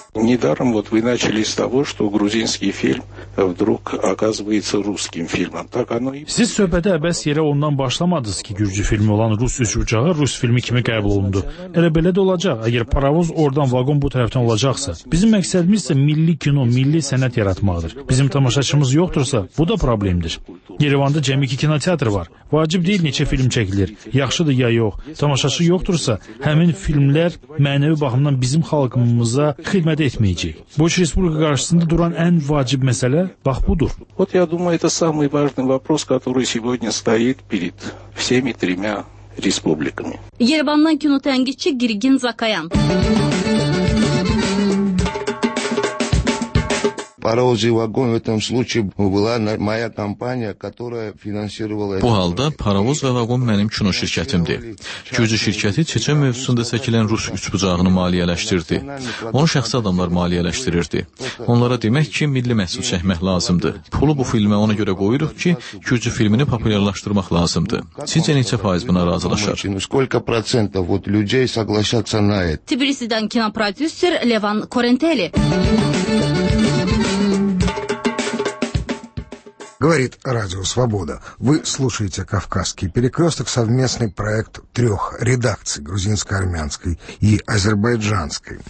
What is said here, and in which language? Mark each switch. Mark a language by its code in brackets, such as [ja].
[ru] Недаром вот вы начали с того, что грузинский фильм вдруг оказывается русским фильмом. Так оно и... [az] Siz söhbətə əbəs yerə ondan başlamadınız ki, gürcü filmi olan Rus üç uçağı Rus filmi kimi qəbul olundu. Elə belə də olacaq, əgər paravoz oradan vaqon bu tərəfdən olacaqsa. Bizim məqsədimiz isə milli kino, milli sənət yaratmaqdır. Bizim tamaşaçımız yoxdursa, bu da problemdir. Yerevanda cəmi iki kinoteatr var. Vacib deyil neçə film çəkilir, yaxşıdır ya yox. Tamaşaçı yoxdursa, həmin filmlər mənəvi baxımdan bizim xalqımıza xidmət etməyəcək. Bu üç respublika qarşısında duran ən vacib məsələ bax budur. [ru] Вот я думаю, это самый важный вопрос, который сегодня стоит перед всеми тремя республиками. [az] Yerevandan kino tənqidçi Girgin Zakayan. [ru] Паровозный вагон в этом случае была моя компания, которая финансировала. [az] Bu halda paravoz və vaqon mənim kino şirkətimdir. Gürcü şirkəti Çeçen mövzusunda çəkilən Rus üç bucağını maliyyələşdirdi. Onu şəxsi adamlar maliyyələşdirirdi. Onlara demək ki, milli məhsul çəkmək lazımdır. Pulu bu filmə ona görə qoyuruq ki, gürcü filmini populyarlaşdırmaq lazımdır. Sizcə neçə faiz buna razılaşar? [ru] Сколько процентов вот людей согласятся на это? [az] Тбилисидан кинопродюсер Леван Корентели. [ru] Говорит Радио Свобода. Вы слушаете «Кавказский перекресток», совместный проект трех редакций: грузинской, армянской и азербайджанской.